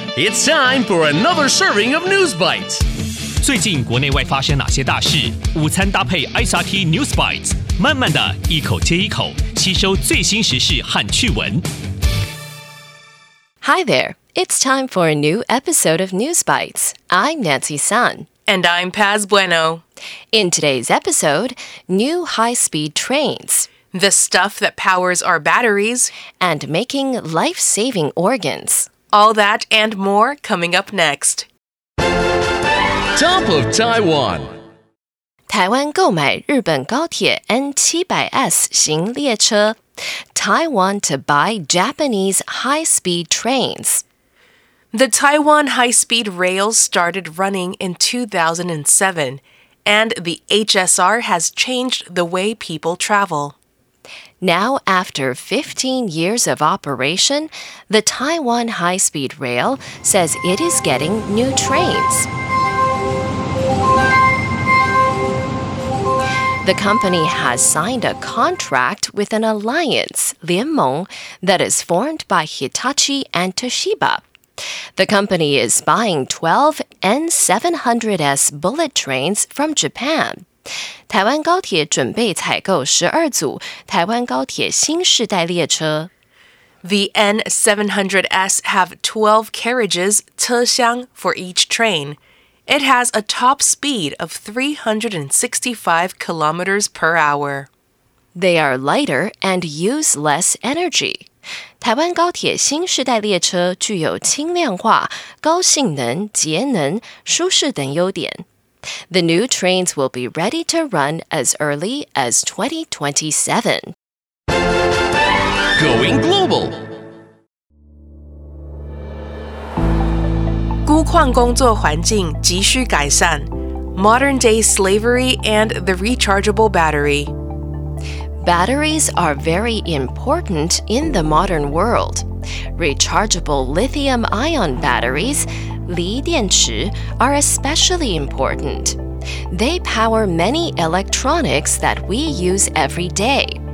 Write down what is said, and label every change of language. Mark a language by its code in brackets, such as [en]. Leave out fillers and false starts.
[en] It's time for another serving of News Bites. [zh] 最近国内外发生哪些大事？午餐搭配 HSR News Bites， 慢慢的一口接一口，吸收最新时事和趣闻。 [en] Hi there, it's time for a new episode of News Bites. I'm Nancy Sun. And I'm Paz Bueno. In today's episode, new high-speed trains. The stuff that powers our batteries. And making life-saving organs. All that and more coming up next. Top of Taiwan. [zh] 台湾购买日本高铁 N700S 型列车。 [en] Taiwan to buy Japanese high-speed trains. The Taiwan high-speed rail started running in 2007, and the HSR has changed the way people travel. Now, after 15 years of operation, the Taiwan high-speed rail says it is getting new trains. The company has signed a contract with an alliance, 联盟, that is formed by Hitachi and Toshiba. The company is buying 12 N700S bullet trains from Japan. [zh] 台湾高铁准备采购12组台湾高铁新世代列车。 [en] The N700S have 12 carriages, 车厢, for each train. It has a top speed of 365 kilometers per hour. They are lighter and use less energy. [zh] 台湾高铁新世代列车具有轻量化、高性能、节能、舒适等优点。 [en] The new trains will be ready to run as early as 2027. Going global. [zh] 钴矿工作环境急需改善。 [en] Modern-day slavery and the rechargeable battery. Batteries are very important in the modern world. Rechargeable lithium-ion batteries, 锂电池, are especially important. They power many electronics that we use every day.